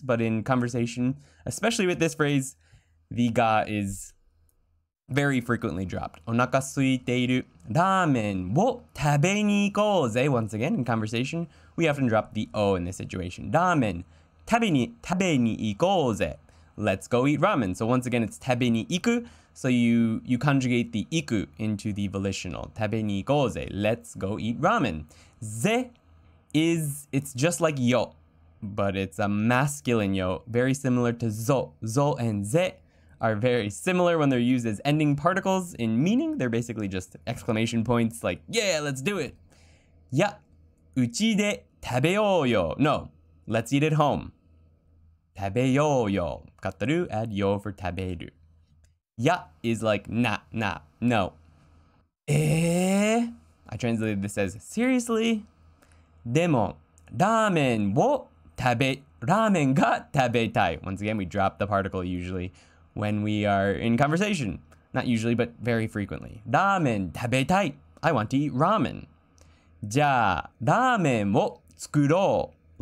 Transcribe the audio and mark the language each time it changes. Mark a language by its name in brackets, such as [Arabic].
[English] But in conversation, especially with this phrase, the が is very frequently dropped. [Japanese] お腹空いている。ラーメンを食べに行こうぜ。 [English] Once again, in conversation, we often drop the O in this situation. [Japanese] ラーメン食べに行こうぜ。 [English] Let's go eat ramen. So once again, it's 食べに行く.So you conjugate the 行く into the volitional. [Japanese] 食べに行こうぜ. [English] Let's go eat ramen. ぜ is, it's just like よ, but it's a masculine よ, very similar to ぞ. ぞ and ぜ are very similar when they're used as ending particles in meaning. They're basically just exclamation points like, yeah, let's do it. [Japanese] や, うちで食べようよ. [English] No, let's eat at home. [Japanese] 食べようよ。 [English] Cut the do, add yo for 食べる。や is like, nah, no. I translated this as, seriously? [Japanese] でも、ラーメンを食べ、ラーメンが食べたい。 [English] Once again, we drop the particle usually when we are in conversation. Not usually, but very frequently. [Japanese] ラーメン食べたい。 [English] I want to eat ramen. [Japanese] じゃあ、ラーメンを作ろう。